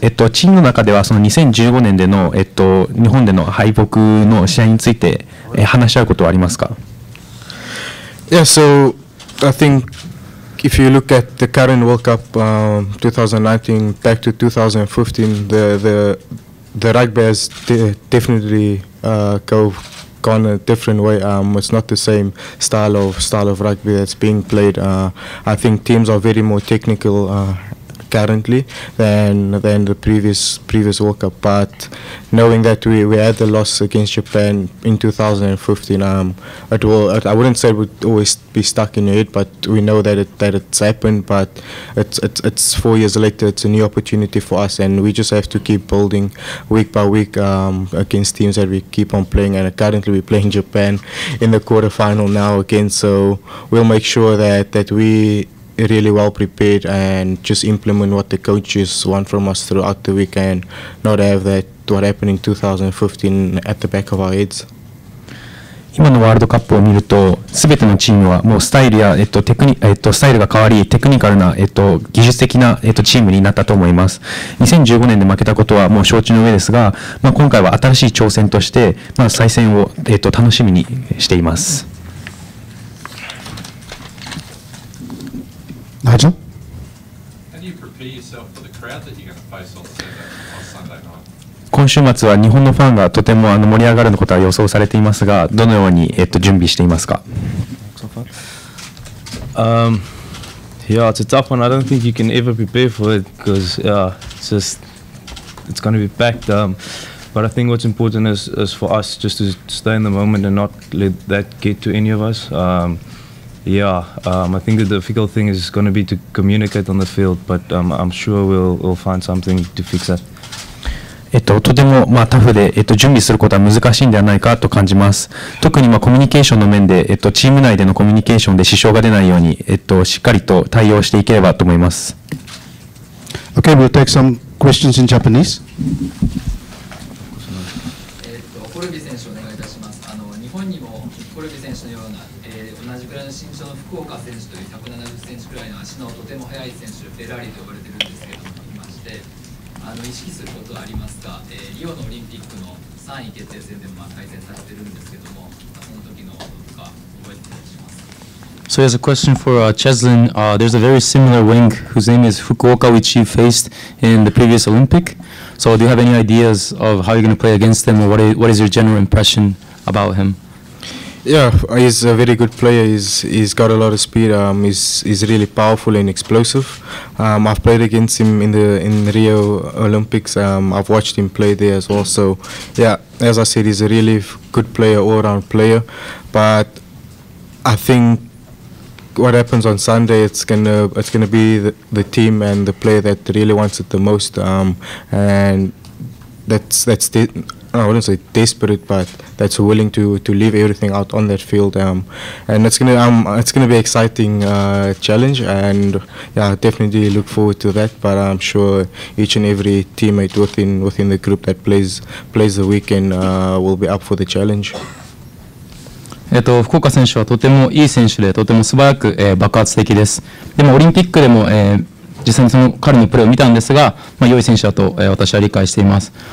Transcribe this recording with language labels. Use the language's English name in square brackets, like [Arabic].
[Japanese] チームの中ではその2015年での、日本での敗北の試合について、話し合うことはありますか。 [English] Yeah, so I think if you look at the current World Cup, 2019 back to 2015, the rugby has definitely gone a different way. It's not the same style of rugby that's being played. I think teams are very more technical. Currently than the previous World Cup, but knowing that we had the loss against Japan in 2015, I wouldn't say it would always be stuck in your head, but we know that it's happened. But it's 4 years later, it's a new opportunity for us, and we just have to keep building week by week against teams that we keep on playing. And currently, we're playing Japan in the quarterfinal now again, so we'll make sure that we. Really well prepared and just implement what the coaches want from us throughout the week and not have that what happened in 2015 at the back of our heads. [Japanese] 今のワールドカップを見ると、すべてのチームはもうスタイルや、テクニ、スタイルが変わり、テクニカルな、技術的な、チームになったと思います。 2015年で負けたことはもう承知の上ですが、まあ、今回は新しい挑戦として、まあ、再戦を、楽しみにしています。ナジョ。今週末は日本のファンがとても盛り上がることは予想されていますが、どのように準備していますか？ [English] Yeah, it's a tough one. I don't think you can ever prepare for it because it's going to be packed. But I think what's important is for us just to stay in the moment and not let that get to any of us. I think the difficult thing is going to be to communicate on the field, but I'm sure we'll find something to fix that. [Japanese] とても、まあ、タフで、準備することは難しいんではないかと感じます。特に、まあ、コミュニケーションの面で、チーム内でのコミュニケーションで支障が出ないように、しっかりと対応していければと思います。 [English] OK, we'll take some questions in Japanese. [Japanese] コルビ選手お願いいたします。日本にもコルビ選手のような、同じくらいの身長の福岡選手という170センチくらいの足のとても速い選手、フェラーリと呼ばれているんですけれども、いまして意識することはありますか？リオのオリンピックの3位決定戦でも、まあ、対戦されているんですけども、その時のことか覚えていますか？ [English] So there's a question for Cheslin. There's a very similar wing whose name is Fukuoka, which he faced in the previous Olympic. So do you have any ideas of how you're going to play against him, or what is your general impression about him? Yeah, he's a very good player. He's got a lot of speed. He's really powerful and explosive. I've played against him in the Rio Olympics. I've watched him play there as well. So yeah, as I said, he's a really good player, all-around player. But I think what happens on Sunday, it's gonna be the team and the player that really wants it the most. And that's it. I wouldn't say desperate, but that's willing to leave everything out on that field. And it's gonna be an exciting challenge. And yeah, definitely look forward to that. But I'm sure each and every teammate within the group that plays the weekend will be up for the challenge. [Japanese] 福岡選手はとてもいい選手で、とても素早く、爆発的です。でもオリンピックでも、実際にその彼のプレーを見たんですが、まあ、良い選手だと、私は理解しています。